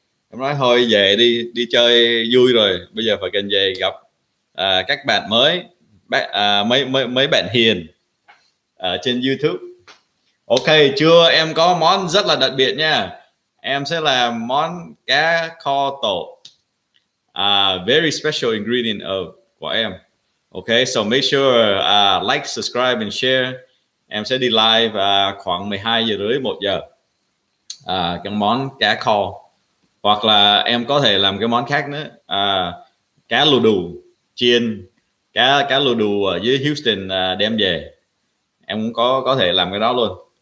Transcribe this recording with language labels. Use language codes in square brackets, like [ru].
[vi] Em nói thôi về đi chơi vui rồi, bây giờ phải cần về gặp các bạn mới, mấy bạn hiền ở trên YouTube. Ok, trưa em có món rất là đặc biệt nha. Em sẽ làm món cá kho tổ. [en] Very special ingredient of [vi] của em. [en] Ok, so make sure like, subscribe and share. [vi] Em sẽ đi live khoảng 12 giờ rưỡi 1 giờ. Cái món cá kho. Hoặc là em có thể làm cái món khác nữa. Cá lù đù chiên. Cá lù đù ở dưới Houston đem về. Em cũng có thể làm cái đó luôn.